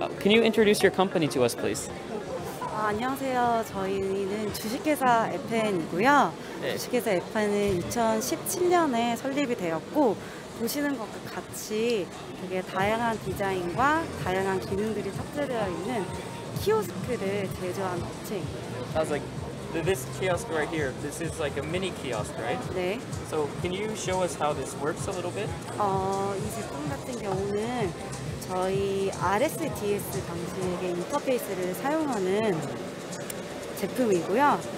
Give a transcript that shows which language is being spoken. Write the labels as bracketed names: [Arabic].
[English] Can you introduce your company to us, please? [Korean] 안녕하세요. 저희는 주식회사 에펜이고요. 주식회사 에펜은 2017년에 설립이 되었고 보시는 것과 같이 되게 다양한 디자인과 다양한 기능들이 탑재되어 있는 키오스크를 제조하는 업체입니다. [English] Sounds like this kiosk right here, this is like a mini kiosk, right? [Korean] 네. [English] So can you show us how this works a little bit? [Korean] 이 제품 같은 경우는 저희 RSDS 방식의 인터페이스를 사용하는 제품이고요.